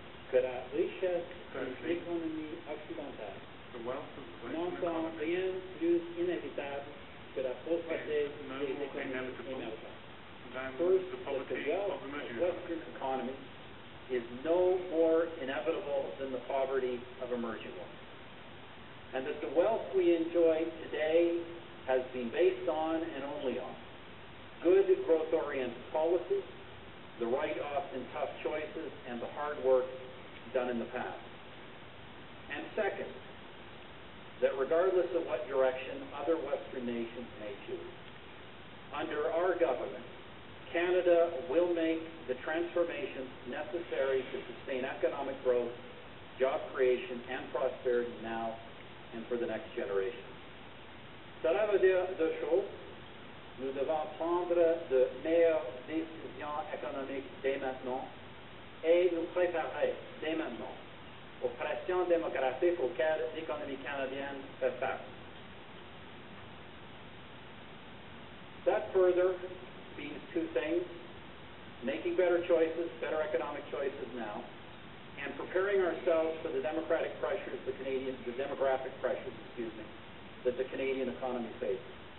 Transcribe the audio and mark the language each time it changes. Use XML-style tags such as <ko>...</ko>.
<fr>que la richesse de l'économie occidentale n'en sont rien plus inévitable que la pauvreté des économies émergentes.</fr> <en>First, that the wealth of the Western economy is no more inevitable than the poverty of emerging ones. And that the wealth we enjoy today has been based on and only on good growth-oriented policies, the right often tough choices, and the hard work done in the past. And second, that regardless of what direction other Western nations may choose, under our government, Canada will make the transformations necessary to sustain economic growth, job creation, and prosperity now and for the next generation.</en> <fr>Cela veut dire deux choses. Nous devons prendre de meilleures décisions économiques dès maintenant et nous préparer dès maintenant aux pressions démographiques auxquelles l'économie canadienne fait face.</fr> <en>That further means two things, making better choices, better economic choices now, and preparing ourselves for the democratic pressures, the demographic pressures, that the Canadian economy faces.</en>